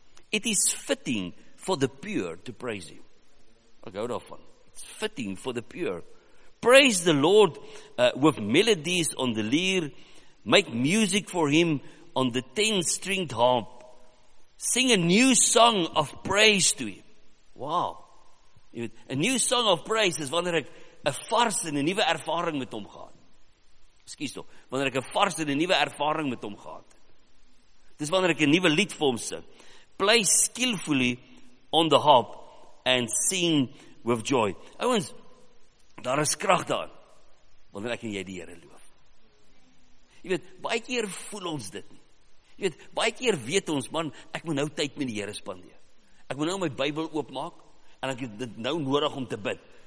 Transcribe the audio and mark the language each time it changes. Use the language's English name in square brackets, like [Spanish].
[English] It is fitting for the pure to praise Him. [Afrikaans] Ek hou daarvan. [English] It's fitting for the pure. Praise the Lord with melodies on the lyre. Make music for Him on the 10-stringed harp. Sing a new song of praise to Him. Wow. A new song of praise [Afrikaans] is wanneer ek 'n vars en 'n nuwe ervaring met Hom gehad. Excuse toch. Wanneer ek 'n vars en 'n nuwe ervaring met Hom gehad. Dis wanneer ek 'n nuwe lied vir Hom sing. [English] Play skillfully on the harp and sing with joy. [Afrikaans] Ouens, daar is krag daarin, wanneer ek en jy die Here loof. Jy weet, baie keer voel ons dit nie. Jy weet, baie keer weet ons, man, ek moet nou tyd met die Here spandeer. Ek moet nou my Bybel oopmaak, en ek het dit nou nodig om te bid.